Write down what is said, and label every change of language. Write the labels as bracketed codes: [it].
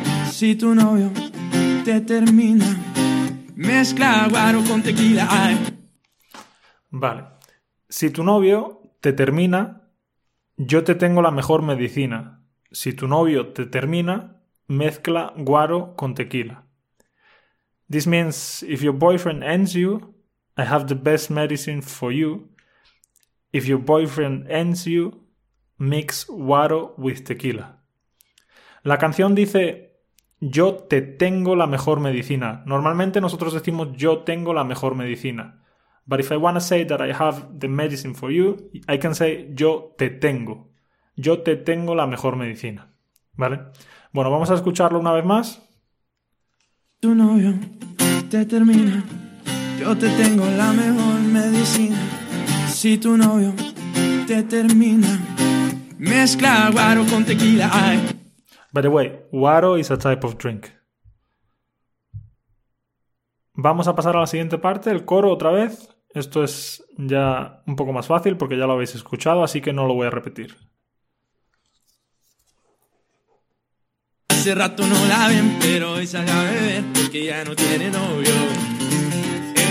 [es] Si tu novio te termina, mezcla guaro con tequila. Ay. Vale. Si tu novio te termina, yo te tengo la mejor medicina. Si tu novio te termina, mezcla guaro con tequila. [en] This means, if your boyfriend ends you, I have the best medicine for you. If your boyfriend ends you, mix guaro with tequila. [es] La canción dice, yo te tengo la mejor medicina. Normalmente nosotros decimos, yo tengo la mejor medicina. [en] But if I want to say that I have the medicine for you, I can say, [es] yo te tengo. Yo te tengo la mejor medicina. ¿Vale? Bueno, vamos a escucharlo una vez más. Tu novio te termina, yo te tengo la mejor medicina. Si tu novio te termina, mezcla guaro con tequila. Ay. [en] By the way, guaro is a type of drink. [es] Vamos a pasar a la siguiente parte, el coro otra vez. Esto es ya un poco más fácil porque ya lo habéis escuchado, así que no lo voy a repetir. Hace rato no la ven, pero hoy salió a beber porque ya no tiene novio.